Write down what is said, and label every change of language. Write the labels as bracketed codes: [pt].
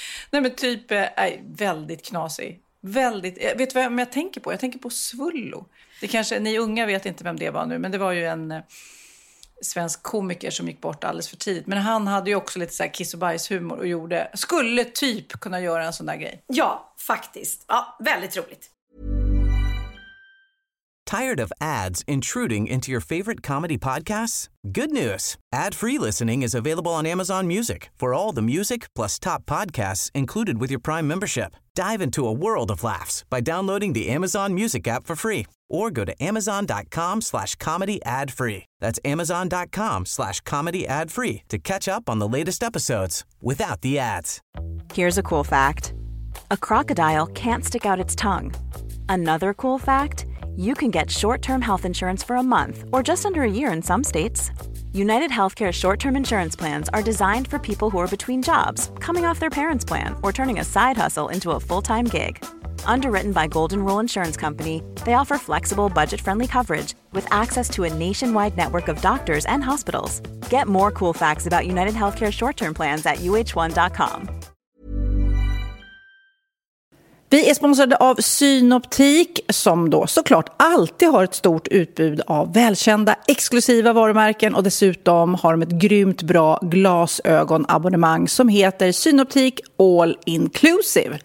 [sv] Nej, men typ väldigt knasig. Väldigt, vet du vad jag tänker på? Jag tänker på Svullo. Det kanske, ni unga vet inte vem det var nu, men det var ju en svensk komiker som gick bort alldeles för tidigt. Men han hade ju också lite så här kiss och bajs humor och gjorde, skulle typ kunna göra en sån där grej. Ja, faktiskt. Ja, väldigt roligt. [en] Tired of ads intruding into your favorite comedy podcasts? Good news. Ad-free listening is available on Amazon Music for all the music plus top podcasts included with your Prime membership. Dive into a world of laughs by downloading the Amazon Music app for free or go to amazon.com/comedyadfree. That's amazon.com/comedyadfree to catch up on the latest episodes without the ads. Here's a cool fact. A crocodile can't stick out its tongue. Another cool fact. You can get short-term health insurance for a month or just under a year in some states. UnitedHealthcare short-term insurance plans are designed for people who are between jobs, coming off their parents' plan, or turning a side hustle into a full-time gig. Underwritten by Golden Rule Insurance Company, they offer flexible, budget-friendly coverage with access to a nationwide network of doctors and hospitals. Get more cool facts about UnitedHealthcare short-term plans at uh1.com. [sv] Vi är sponsrade av Synoptik som då såklart alltid har ett stort utbud av välkända exklusiva varumärken och dessutom har de ett grymt bra glasögonabonnemang som heter Synoptik All Inclusive.